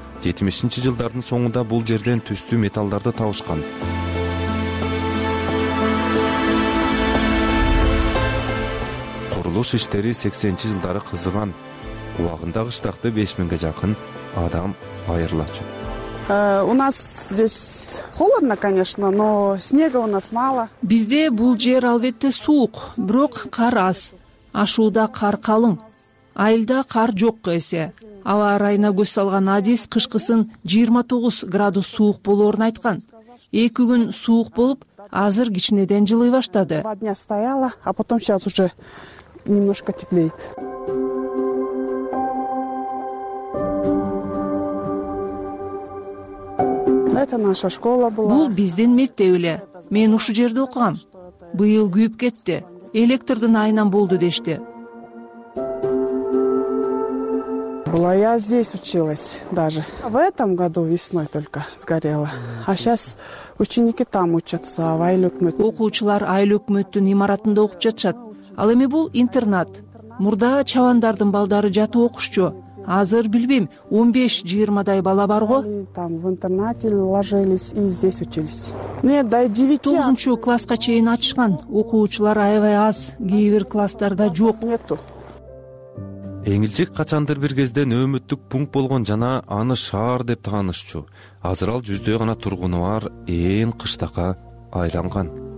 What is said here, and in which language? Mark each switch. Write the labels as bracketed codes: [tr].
[ky] 70-чи жылдардын соңунда бул жерден түстүү металлдарды табышкан. Курулуш иштери 80-чи жылдары кызыган. Убагында кыштакты 5000 жакын адам айырлачу. [ru] У нас здесь холодно, конечно, но снега у нас мало. [ky] Бизде бул жер албетте суук, бирок кар аз. Ашууда кар калың. Айылда кар жок эсе. Аба ырайына көз салган адис кышкысын 29 градус суук болорун айткан. 2 күн суук болуп, азыр кичинеден жылый баштады. [ru] Два дня стояла, а потом сейчас уже немножко теплеет. Это наша школа была. [ky] Бул биздин мектеп эле. Мен ушу жерде окугам. Быйыл күйүп кетти. Электрдин айынан болду дешти. [ru] Была я здесь, училась даже. В этом году весной только сгорела. А сейчас ученики там учатся, в Айлюкмөт. [ky] Окуучулар Айлюкмөттүн имаратында окуп жатышат. Ал эми бул интернат. Мурда чавандардын балдары жатып окушчу. Азыр билбейм, 15-20 бала барго. [ru] Там в интернате ложились и здесь учились. Нет, да 9. [ky] 9-чу класска чейин ачышкан. Окуучулар аябай аз, кээ бир класстарда жок. [ru] Нету. [ky] Эңилчек качандыр бир кезде нөөмөттүк пункт болгон жана аны шаар деп таанышчу. Азыр ал жүздөй гана тургуну бар ээн кыштакка айланган.